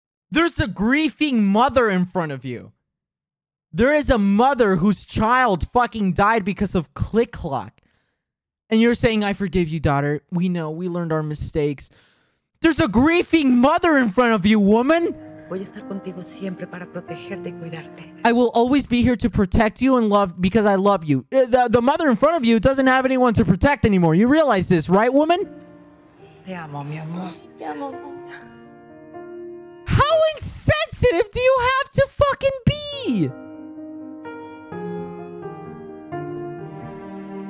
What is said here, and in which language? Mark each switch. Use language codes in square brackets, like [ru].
[en] There's a grieving mother in front of you. There is a mother whose child fucking died because of click clock. And you're saying, I forgive you, daughter. We know. We learned our mistakes. There's a grieving mother in front of you, woman. [es] Voy a estar contigo siempre para protegerte y cuidarte. [en] I will always be here to protect you and love because I love you. The mother in front of you doesn't have anyone to protect anymore. You realize this, right, woman? [es] Te amo, mi amor. Te amo. [en] How How insensitive do you have to fucking be?